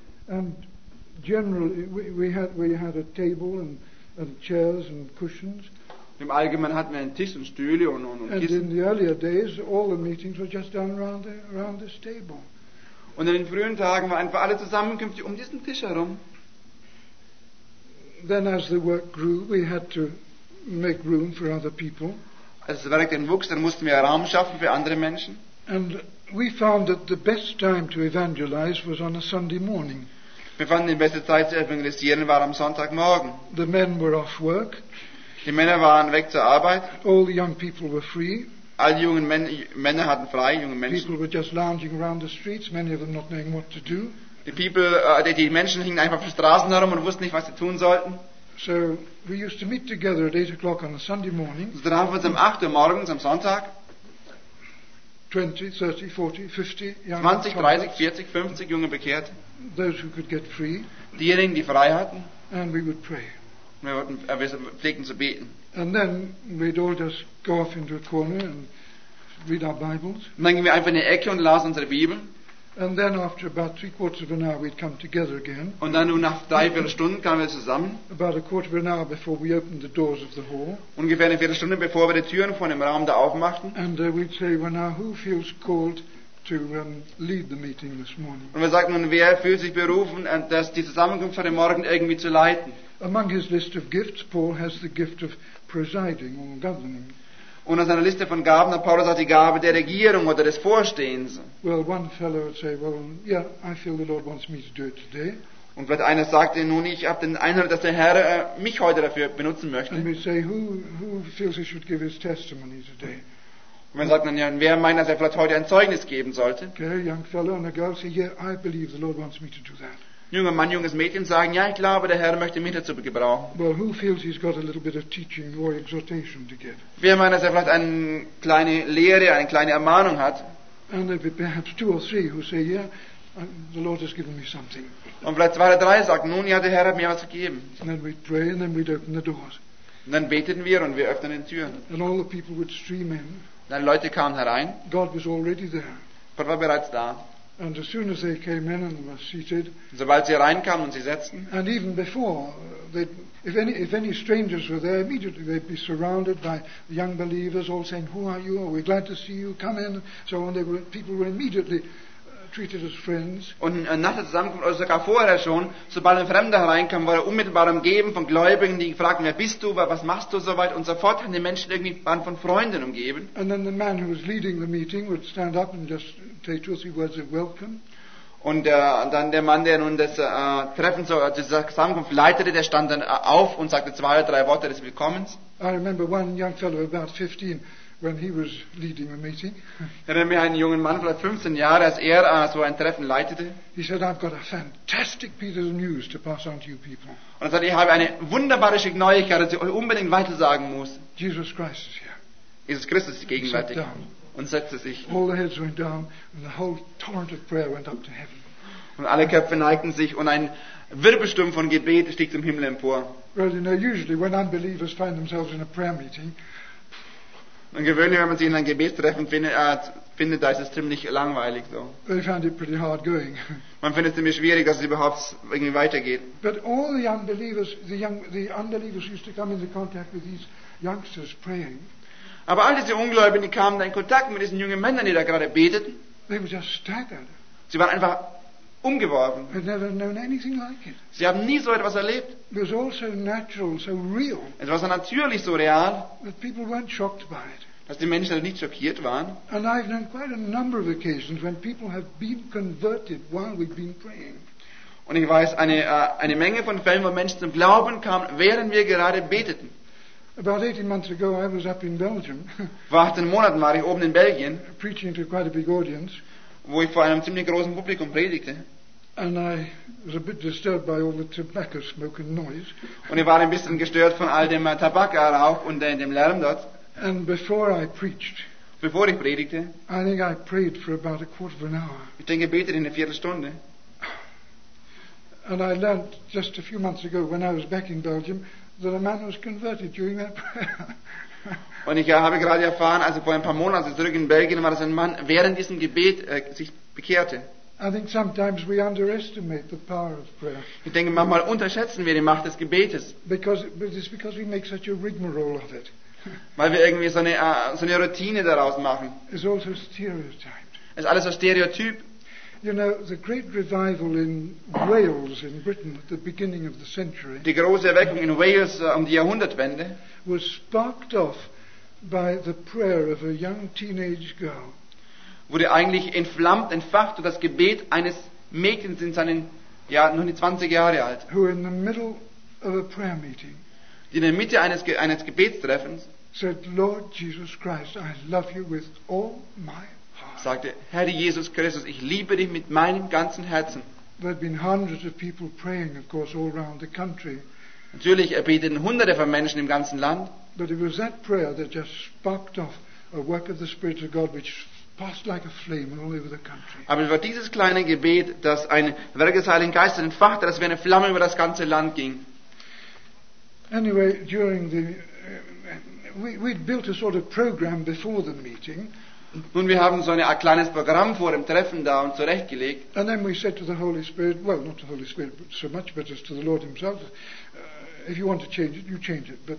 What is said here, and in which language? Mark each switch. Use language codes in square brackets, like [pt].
[en] And generally we had a table and chairs and cushions. [de] Im Allgemeinen hatten wir einen Tisch, einen Stuhl und Kissen. [en] And in the earlier days all the meetings were just done around this table. [de] Und in den frühen Tagen waren einfach alle Zusammenkünfte um diesen Tisch herum. [en] Then as the work grew, we had to make room for other people. [de] Als das Werk dann wuchs, dann mussten wir Raum schaffen für andere Menschen. [en] And we found that the best time to evangelize was on a Sunday morning. [de] Wir fanden die beste Zeit zu evangelisieren war am Sonntagmorgen. [en] The men were off work. [de] Die Männer waren weg zur Arbeit. [en] All the young people were free. [de] Alle jungen Männer hatten frei, junge Menschen. [en] People were just lounging around the streets, many of them not knowing what to do. [de] Die Menschen hingen einfach auf den Straßen herum und wussten nicht, was sie tun sollten. [en] So we used to meet together at 8 o'clock on a Sunday morning. [de] So dann haben wir uns um 8 Uhr morgens am Sonntag. [en] 20, 30, 40, 50 young [de] 20, 30, 40, 50 junge bekehrt. [en] Those who could get free. [de] Diejenigen, die frei hatten. [en] And we would pray. [de] Wir pflegten zu beten. [en] And then we'd all just go off into a corner and read our Bibles. [de] Und dann gingen wir einfach in die Ecke und lasen unsere Bibel. [en] And then after about 3/4 of an hour we'd come together again. [de] Und dann nach 3/4 Stunden kamen wir zusammen. [en] About 1/4 of an hour before we opened the doors of the hall. [de] Ungefähr eine Viertelstunde bevor wir die Türen von dem Raum da aufmachten. [en] And we'd say, well, now who feels called to lead the meeting this morning? [de] Und wir sagten nun, wer fühlt sich berufen, dass die Zusammenkunft von dem Morgen irgendwie zu leiten? [en] Among his list of gifts, Paul has the gift of presiding or governing. [de] Und aus einer Liste von Gaben hat Paulus auch die Gabe der Regierung oder des Vorstehens. [en] Well, one fellow would say, well, yeah, I feel the Lord wants me to do it today. [de] Und vielleicht einer sagte, nun, ich habe den Eindruck, dass der Herr mich heute dafür benutzen möchte. [en] And we say, who feels he should give his testimony today? [de] Und wir sagten dann, ja, wer meint, dass er vielleicht heute ein Zeugnis geben sollte? [en] Okay, young fellow and a girl say, yeah, I believe the Lord wants me to do that. [de] Junger Mann, junges Mädchen sagen, ja, ich glaube, der Herr möchte mich dazu gebrauchen. [en] Well, who feels he's got a little bit of teaching or exhortation to give? [de] Wer meint, dass er vielleicht eine kleine Lehre, eine kleine Ermahnung hat? [en] And there'd be perhaps two or three who say, yeah, the Lord has given me something. [de] Und vielleicht zwei oder drei sagen, nun ja, der Herr hat mir was gegeben. [en] And then we'd pray and then we'd open the doors. [de] Und dann beteten wir und wir öffnen die Türen. [en] And all the people would stream in. [de] Dann Leute kamen herein. [en] God was already there. [de] Gott war bereits da. [en] And as soon as they came in and were seated, [de] sobald sie reinkamen und sie setzten, [en] and even before, if any strangers were there, immediately they'd be surrounded by the young believers, all saying, "Who are you? Are we glad to see you? Come in." So on, people were immediately treated as friends. [de] Und nach der Zusammenkunft oder sogar vorher schon, sobald ein Fremder hereinkam, wurde unmittelbar umgeben von Gläubigen, die fragten, wer bist du, was machst du so weit, und sofort waren die Menschen irgendwie waren von Freunden umgeben. [en] And then the man who was leading the meeting would stand up and just say two or three words of welcome. [de] Und dann der Mann, der nun das Treffen zur Zusammenkunft leitete, der stand dann auf und sagte zwei oder drei Worte des Willkommens. [en] I remember one young fellow about 15. When he was leading a meeting. [de] Ich erinnere mich an einen jungen Mann, vielleicht 15 Jahre, als er so ein Treffen leitete. [en] He said, I've got a fantastic piece of news to pass on to you people. [de] Und er sagte, ich habe eine wunderbare Neuigkeit, die ich euch unbedingt weitersagen muss. [en] Jesus Christ is here. [de] Jesus Christus ist gegenwärtig. Und setzte sich. [en] All the heads went down and the whole torrent of prayer went up to heaven. [de] Und alle Köpfe neigten sich und ein Wirbelsturm von Gebet stieg zum Himmel empor. [en] Well, you know, usually when unbelievers find themselves in a prayer meeting, [de] und gewöhnlich, wenn man sich in einem Gebetstreffen findet, da ist es ziemlich langweilig. [en] So. They found it pretty hard going. [de] Man findet es ziemlich schwierig, dass es überhaupt irgendwie weitergeht. [en] But all the unbelievers, the unbelievers used to come into contact with these youngsters praying. [de] Aber all diese Ungläubigen, die kamen da in Kontakt mit diesen jungen Männern, die da gerade beteten. [en] They were just staggered. [de] Sie waren einfach umgeworfen. [en] They'd never known anything like it. [de] Sie haben nie so etwas erlebt. [en] It was all so natural, so real. [de] Es war so natürlich, so real. [en] That people weren't shocked by it. [de] Dass die Menschen nicht schockiert waren. [en] And I've known quite a number of occasions when people have been converted while we've been praying. [de] Und ich weiß eine Menge von Fällen, wo Menschen zum Glauben kamen, während wir gerade beteten. [en] About 18 months ago, I was up in Belgium. [de] Vor 18 Monaten war ich oben in Belgien. [en] Preaching to quite a big audience. [de] Wo ich vor einem ziemlich großen Publikum predigte. [en] And I was a bit disturbed by all the tobacco smoke and noise. [de] Und ich war ein bisschen gestört von all dem Tabakrauch und dem Lärm dort. [en] And before I preached, [de] bevor ich predigte, [en] I think I prayed for about 1/4 of an hour. [de] Ich denke, betete in 1/4 Stunde. [en] And I learned just a few months ago, when I was back in Belgium, that a man was converted during that prayer. [de] Und ich habe gerade erfahren, also vor ein paar Monaten zurück in Belgien, war das ein Mann, während diesem Gebet sich bekehrte. [en] I think sometimes we underestimate the power of prayer. [de] Ich denke, manchmal unterschätzen wir die Macht des Gebetes. [en] Because we make such a rigmarole of it. [de] Weil wir irgendwie so eine Routine daraus machen. [en] It's also stereotyped. [de] Ist alles so Stereotyp. [en] You know, the great revival in Wales in Britain at the beginning of the century. [de] Die große Erweckung in Wales um die Jahrhundertwende. [en] Was sparked off by the prayer of a young teenage girl. [de] Wurde eigentlich entfacht durch das Gebet eines Mädchens in seinen, ja, noch nicht 20 Jahre alt. [en] Who in the middle of a prayer meeting. [de] Die in der Mitte eines Gebetstreffens. [en] Said, Lord Jesus Christ, I love you with all my heart. [de] Sagte, Herr Jesus Christus, ich liebe dich mit meinem ganzen Herzen. [en] There had been hundreds of people praying, of course, all around the country. [de] Natürlich erbeteten hunderte von Menschen im ganzen Land. [en] But it was that prayer that just sparked off a work of the Spirit of God, which passed like a flame all over the country. [de] Aber es war dieses kleine Gebet, das ein Werk des Heiligen Geistes entfachte, das wie eine Flamme über das ganze Land ging. [en] Anyway, during the we'd built a sort of program before the meeting. [de] Nun, wir haben so ein kleines Programm vor dem Treffen da und zurechtgelegt. [en] And then we said to the Holy Spirit, well, not to the Holy Spirit but so much, but just to the Lord himself, if you want to change it, you change it.